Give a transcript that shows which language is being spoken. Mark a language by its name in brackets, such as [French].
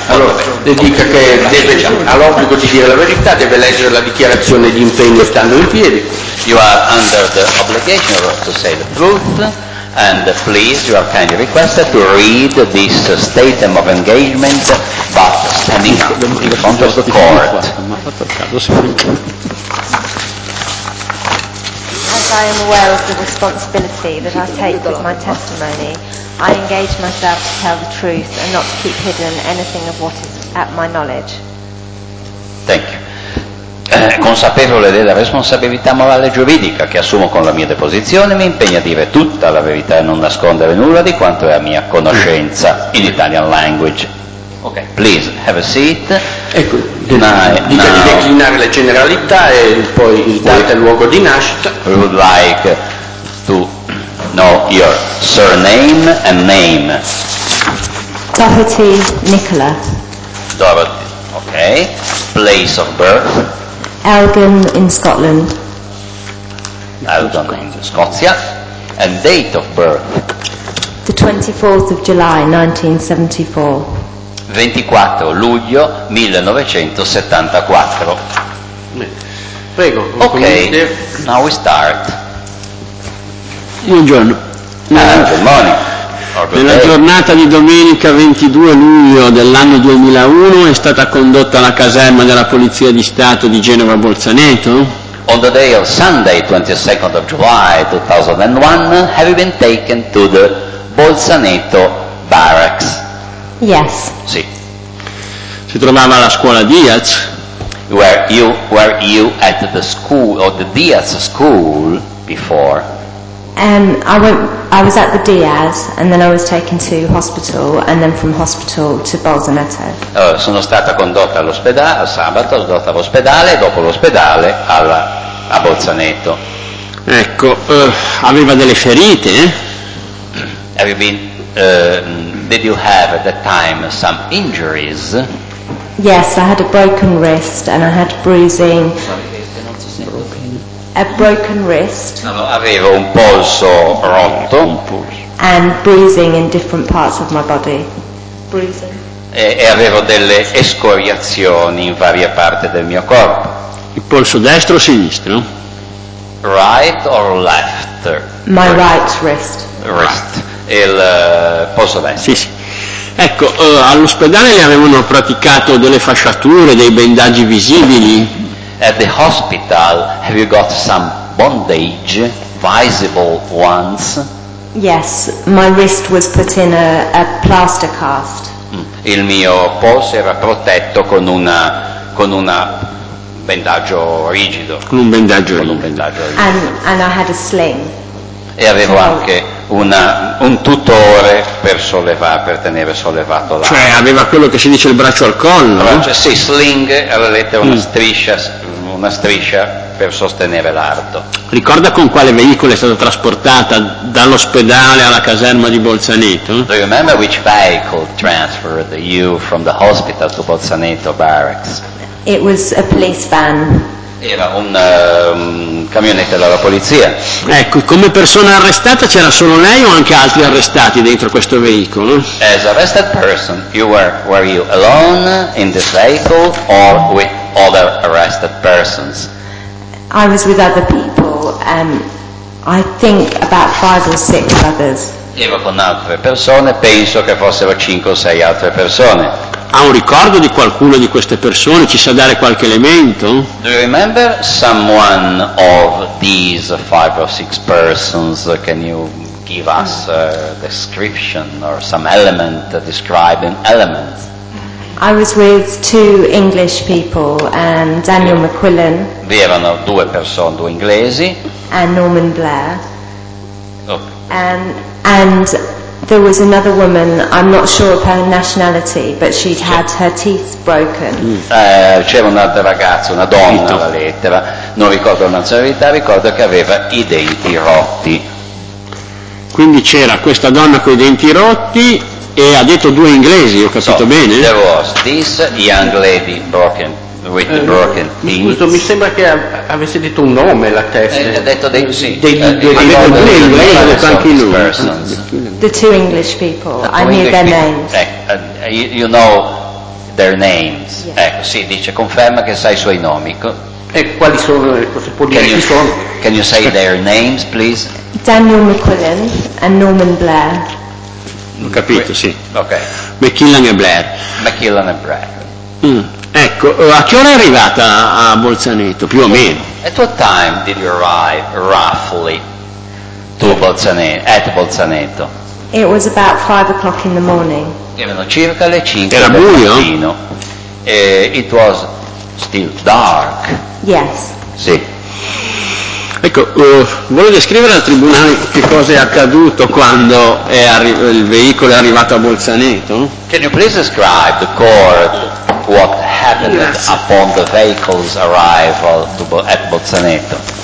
[Italian] Allora, dica che deve, ha l'obbligo di dire la verità, deve leggere la dichiarazione di impegno stando in piedi. [English] You are under the obligation to say the truth, and please, you are kindly requested to read this statement of engagement, but standing in front of the court. I am aware of the responsibility that I take with my testimony. I engage myself to tell the truth and not to keep hidden anything of what is at my knowledge. Thank you. [Italian] Consapevole della responsabilità morale e giuridica che assumo con la mia deposizione, mi impegno a dire tutta la verità e non nascondere nulla di quanto è a mia conoscenza [English] in Italian language. Ok, please have a seat. [Italian] Ecco, dica di declinare le generalità e poi il date e luogo di nascita. [English] We would like to know your surname and name. Doherty Nicola. Doherty, ok. Place of birth. Elgin in Scotland. [Italian] Elgin in Scozia. [English] And date of birth. The 24th of July 1974. [Italian] 24 luglio 1974. Prego. [English] Ok, now we start. [Italian] Buongiorno. [English] Good morning. [Italian] Nella giornata di domenica 22 luglio dell'anno 2001 è stata condotta alla caserma della Polizia di Stato di Genova Bolzaneto. [English] On the day of Sunday 22nd of July 2001 have you been taken to the Bolzaneto Barracks? Yes. [Italian] Sì. Si trovava alla scuola Diaz. [English] Were you at the school or the Diaz school before? I was at the Diaz and then I was taken to hospital and then from hospital to Bolzaneto. [Italian] Sono stata condotta all'ospedale a sabato, sono stata all'ospedale e dopo l'ospedale a Bolzaneto. Ecco, aveva delle ferite. [English] Have you been did you have at that time some injuries? Yes, I had a broken wrist and I had bruising. A broken wrist. [Italian] No, avevo un polso rotto. [English] And bruising in different parts of my body. Bruising. [Italian] E avevo delle escoriazioni in varie parti del mio corpo. Il polso destro o sinistro? [English] Right or left? My right wrist. [Italian] Wrist. Il posso bene. Sì, sì. Ecco, all'ospedale le avevano praticato delle fasciature, dei bendaggi visibili. [English] At the hospital have you got some bondage, visible ones? Yes, my wrist was put in a plaster cast. [Italian] Il mio polso era protetto con una bendaggio rigido. Con un bendaggio rigido. [English] And I had a sling. [Italian] E avevo anche un tutore per tenere sollevato l'arma. Cioè aveva quello che si dice il braccio al collo. Sì, sling, alla lettera una striscia per sostenere l'arto. Ricorda con quale veicolo è stata trasportata dall'ospedale alla caserma di Bolzaneto? [English] Do you remember which vehicle transferred you from the hospital to Bolzaneto Barracks? It was a police van. [Italian] Era un camionetta dalla polizia. Ecco, come persona arrestata c'era solo lei o anche altri arrestati dentro questo veicolo? [English] As arrested person, you were you alone in this vehicle or with other arrested persons? I was with other people, I think about five or six others. [Italian] Ero con altre persone, penso che fossero 5 o 6 altre persone. Ha un ricordo di qualcuno di queste persone? Ci sa dare qualche elemento? [English] Do you remember someone of these five or six persons? Can you give us a description or some element describing elements? I was with two English people and Daniel McQuillan. [Italian] Vi erano due persone, due inglesi. [English] And Norman Blair. Okay. And there was another woman, I'm not sure of her nationality, but she'd had her teeth broken. [Italian] C'era un'altra ragazza, una donna alla lettera, non ricordo la nazionalità, ricordo che aveva i denti rotti. Quindi c'era questa donna con i denti rotti e ha detto due inglesi, ho capito bene? [English] There was this young lady broken. With broken teeth. [Italian] Scusa, mi sembra che avesse detto un nome la testa. Ha detto dei sì. [English] The two English people. I knew their names. You know their names. Yeah. [Italian] Ecco, sì, dice conferma che sai i suoi nomi. E quali sono? Cosa può dire? [English] Can you say their names, please? Daniel McQuillan and Norman Blair. [Italian] Ho capito, sì. Ok. McQuillan e Blair. McQuillan e Blair. Ecco, a che ora è arrivata a Bolzaneto, più o meno? [English] At what time did you arrive, roughly, to Bolzaneto, at Bolzaneto? It was about 5 o'clock in the morning. [Italian] Erano circa le 5 del mattino. [English] It was still dark. Yes. [Italian] Sì. Ecco, vuole descrivere al tribunale che cosa è accaduto quando il veicolo è arrivato a Bolzaneto? [English] Can you please describe the court what happened upon the vehicle's arrival at Bolzaneto?